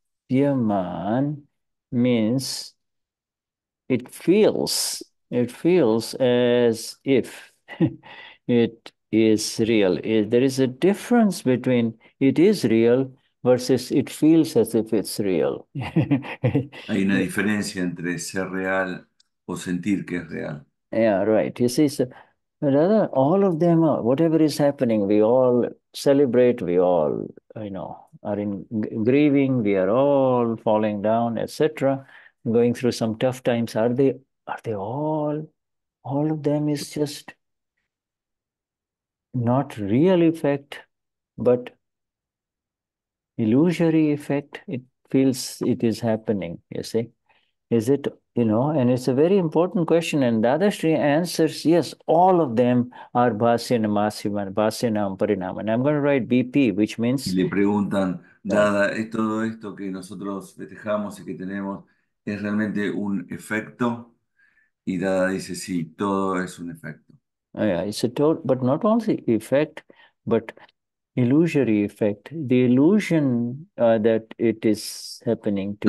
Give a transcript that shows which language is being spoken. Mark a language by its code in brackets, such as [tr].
[en] Bhasyamaan means it feels as if it is real. There is a difference between it is real versus it feels as if it's real. [es] Hay una diferencia entre ser real o sentir que es real. [en] Yeah, right. You see, rather, all of them, whatever is happening, we all celebrate, we all, you know, are in grieving, we are all falling down, etc., going through some tough times. Are they all of them is just not real effect, but illusory effect. It feels it is happening, you see. Is it, you know, and it's a very important question. And Dadashri answers, yes, all of them are Bhasyanam Parinam. And I'm going to write BP, which means... [es] Y le preguntan, Dada, ¿es todo esto que nosotros festejamos y que tenemos, es realmente un efecto? Y Dada dice, sí, todo es un efecto. [en] Oh, yeah, it's a total, but not only effect, but illusory effect. The illusion that it is happening to